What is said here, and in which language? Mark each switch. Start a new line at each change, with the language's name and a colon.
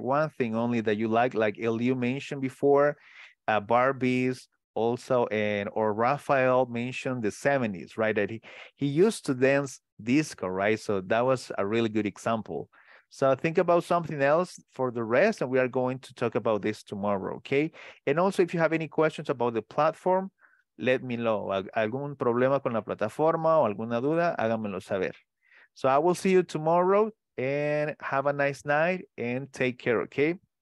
English: One thing only that you like Eliu mentioned before, Barbies also, and or Raphael mentioned the 70s, right? That he used to dance disco, right? So that was a really good example. So think about something else for the rest, and we are going to talk about this tomorrow, okay? And also, if you have any questions about the platform, let me know.
Spanish: Algún problema con la plataforma o alguna duda, háganmelo saber.
English: So I will see you tomorrow, and have a nice night, and take care, okay?